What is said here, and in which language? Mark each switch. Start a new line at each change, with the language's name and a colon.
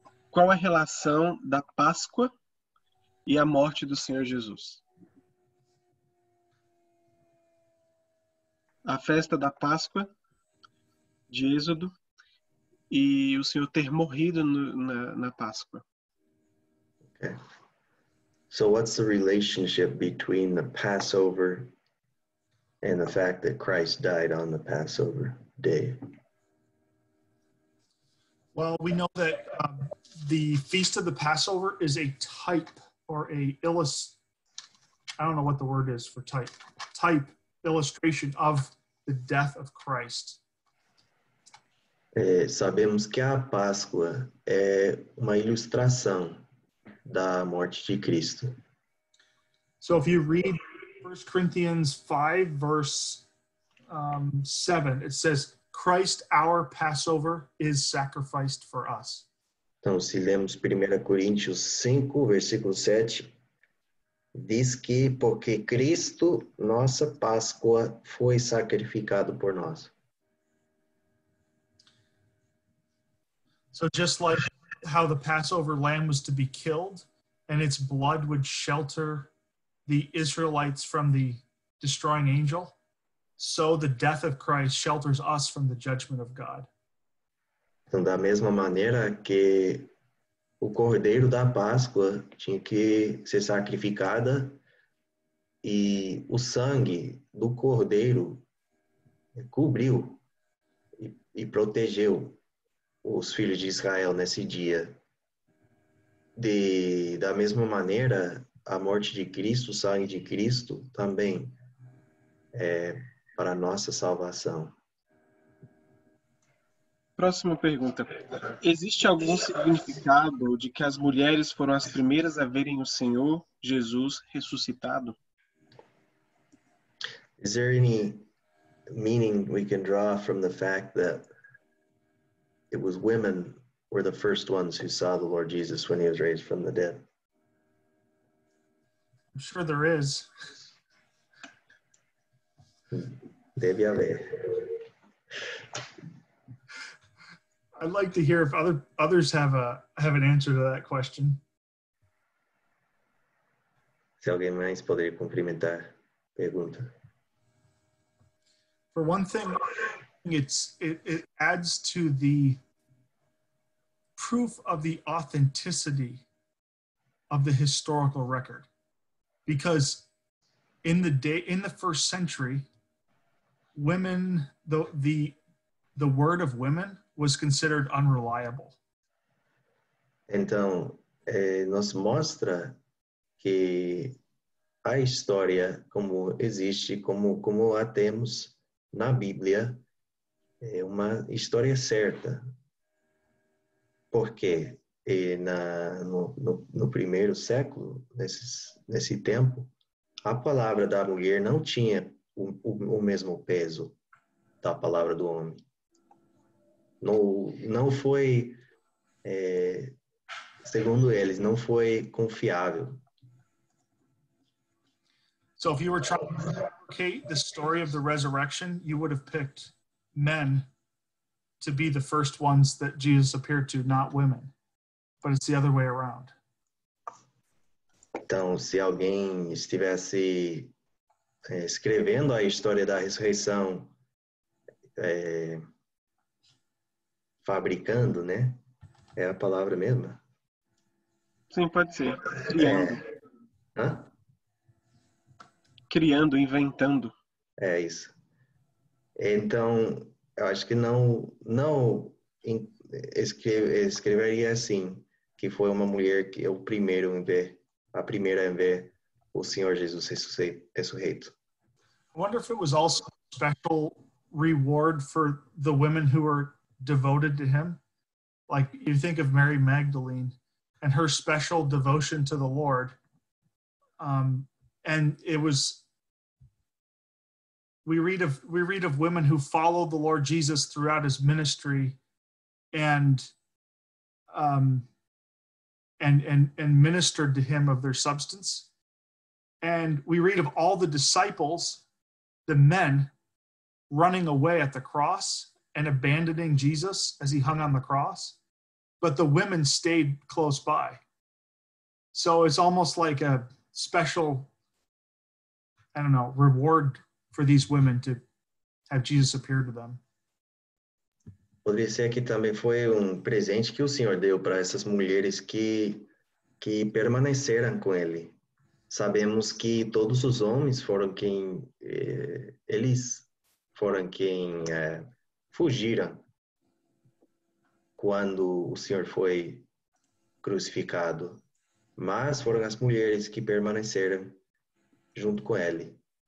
Portuguese: Qual a relação da Páscoa e a morte do Senhor Jesus? A festa da Páscoa, de Êxodo, e o Senhor ter morrido no, na Páscoa.
English: Okay. So what's the relationship between the Passover and the fact that Christ died on the Passover day? Well, we know that the feast of the Passover is a type or a I don't know what the word is for type. Type, illustration of the death of Christ.
Portuguese: Sabemos que a Páscoa é uma ilustração da morte de Cristo.
English: So if you read 1 Corinthians 5, verse 7, it says, Christ, our Passover, is sacrificed for us.
Portuguese: Então, se lemos 1 Coríntios 5, versículo 7, diz que porque Cristo, nossa Páscoa, foi sacrificado por nós.
English: So just like how the Passover lamb was to be killed and its blood would shelter the Israelites from the destroying angel, so the death of Christ shelters us from the judgment of God.
Portuguese: Então, da mesma maneira que o cordeiro da Páscoa tinha que ser sacrificada e o sangue do cordeiro cobriu e protegeu os filhos de Israel nesse dia. Da mesma maneira, a morte de Cristo, o sangue de Cristo, também é para a nossa salvação. Próxima pergunta. Existe algum significado de que as mulheres foram as primeiras a verem o Senhor Jesus ressuscitado?
English: Is there any meaning we can draw from the fact that it was women were the first ones who saw the Lord Jesus when he was raised from the dead? I'm sure there is.
Portuguese: Deve haver.
English: I'd like to hear if others have an answer to that question.
Portuguese: Se alguém mais poderia complementar a pergunta.
English: For one thing, it adds to the proof of the authenticity of the historical record, because in the first century, women, the word of women was considered unreliable.
Portuguese: Então, nos mostra que a história como existe, como a temos na Bíblia, é uma história certa. Porque no primeiro século, nesse tempo, a palavra da mulher não tinha o mesmo peso da palavra do homem. Não foi, segundo eles, não foi confiável.
English: So if you were trying to replicate the story of the resurrection, you would have picked men to be the first ones that Jesus appeared to, not women. But it's the other way around.
Portuguese: Então, se alguém estivesse escrevendo a história da ressurreição, fabricando, né? É a palavra mesma? Sim, pode ser. Criando. Hã? Criando, inventando. É isso. Então, eu acho que não escreveria assim, que foi uma mulher que é a primeira em ver o Senhor Jesus ressurreito.
English: I wonder if it was also a special reward for the women who are devoted to him. Like, you think of Mary Magdalene and her special devotion to the Lord. And it was, we read of women who followed the Lord Jesus throughout his ministry and ministered to him of their substance. And we read of all the disciples, the men, running away at the cross and abandoning Jesus as he hung on the cross, but the women stayed close by. So it's almost like a special, I don't know, reward for these women to have Jesus appear to them.
Portuguese: Poderia ser que também foi presente que o Senhor deu para essas mulheres que permaneceram com ele. Sabemos que todos os homens foram quem eles foram quem fugiram quando o Senhor foi crucificado, mas foram as mulheres que permaneceram junto com ele.